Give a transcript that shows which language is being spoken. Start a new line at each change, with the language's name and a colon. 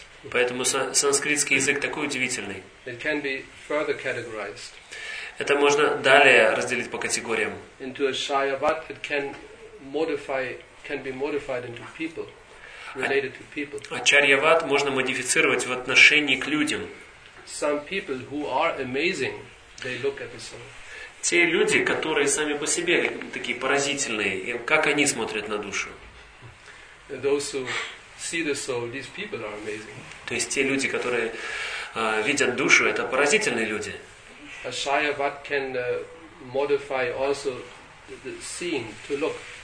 Russian: Поэтому санскритский язык такой удивительный. Это можно далее разделить по категориям.
English: Into a shayavat, it can modify, can be modified into people, related to people.
Russian: Ачарьяват можно модифицировать в отношении к людям.
English: Some people who are amazing, they look at the soul.
Russian: Те люди, которые сами по себе такие поразительные, как они смотрят на душу?
English: Those who see the soul, these people are amazing.
Russian: То есть те люди, которые видят душу, это поразительные люди.
English: A shayavat can modify also the seeing to look.